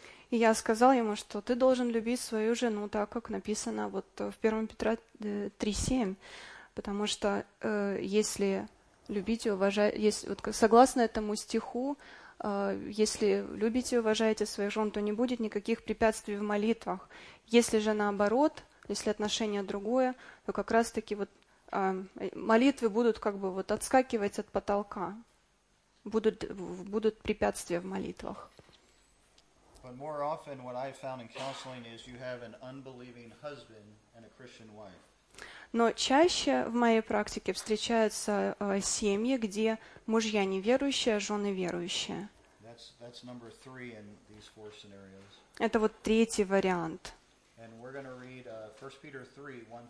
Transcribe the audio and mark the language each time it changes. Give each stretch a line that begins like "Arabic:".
Russian: я сказал ему, что ты должен любить свою жену так, как написано вот в 1 Петра 3:7, потому что если любить и уважать, если вот согласно этому стиху, если любите и уважаете своих жен, то не будет никаких препятствий в молитвах. Если же наоборот, если отношение другое, то как раз-таки вот молитвы будут как бы вот отскакивать от потолка. Будут препятствия в молитвах.
English: But more often what I found in counseling is you have an unbelieving husband and a Christian wife.
Russian: Но чаще в моей практике встречаются семьи, где мужья неверующие, а жены верующие.
English: That's
Russian: это вот третий вариант.
English: Read, 3,